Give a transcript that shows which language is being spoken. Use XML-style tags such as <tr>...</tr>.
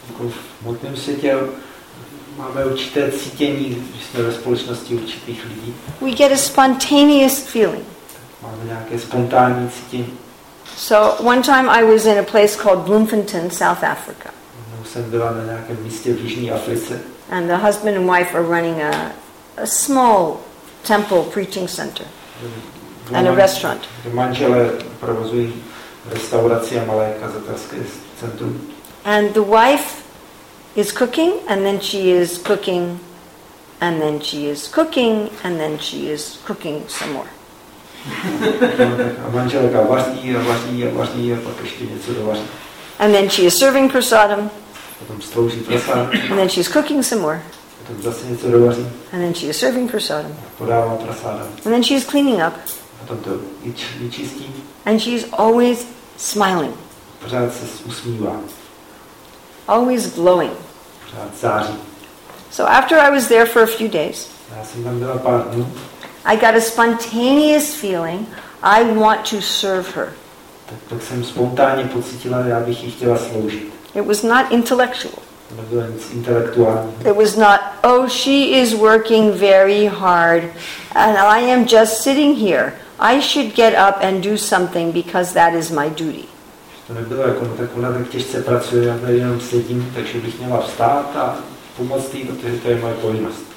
<cs>V hmotném světě máme určité cítění, že jsme ve společnosti určitých lidí.</cs> <en>We get a spontaneous feeling.</en> <cs>Máme nějaké spontánní cítění.</cs> <en>So one time I was in a place called Bloemfontein, South Africa.</en> <cs>Jednou jsem byla na nějakém místě v Jižní Africe.</cs> <en>And the husband and wife are running a small temple preaching center and a restaurant.</en> <cs>Manželé provozují restauraci a malé kazatelské centrum.</cs> <en>And the wife is cooking, and then she is cooking, and then she is cooking, and then she is cooking some more.</en> <cs>A manželka vaří a vaří a vaří a pak ještě něco dovaří.</cs> <en>And then she is serving prasadam.</en> <cs>Potom slouží prasadam.</cs> <en>And then she is cooking some more.</en> <cs>Potom zase něco dovaří.</cs> <en>And then she is serving prasadam.</en> <cs>Podává prasadam.</cs> <en>And then she is cleaning up.</en> <cs>Potom to vyčistí.</cs> <en>And she is always smiling.</en> <cs>Pořád se usmívá.</cs> <en>Always glowing.</en> <cs>Pořád září.</cs> <en>So after I was there for a few days,</en> <cs>já jsem tam byla pár dnů,</cs> <en>I got a spontaneous feeling, I want to serve her.</en> <cs>Tak jsem spontánně pocítila, já bych jí chtěla sloužit.</cs> <en>It was not intellectual.</en> <cs>Nebylo nic intelektuální.</cs> <en>It was not, oh, she is working very hard, and I am just sitting here. I should get up and do something because that is my duty.</en> <cs>To nebylo jako, no tak ona tak těžce pracuje, já tady jenom sedím, takže bych měla vstát a pomoct jí, protože to je moje povinnost.</cs>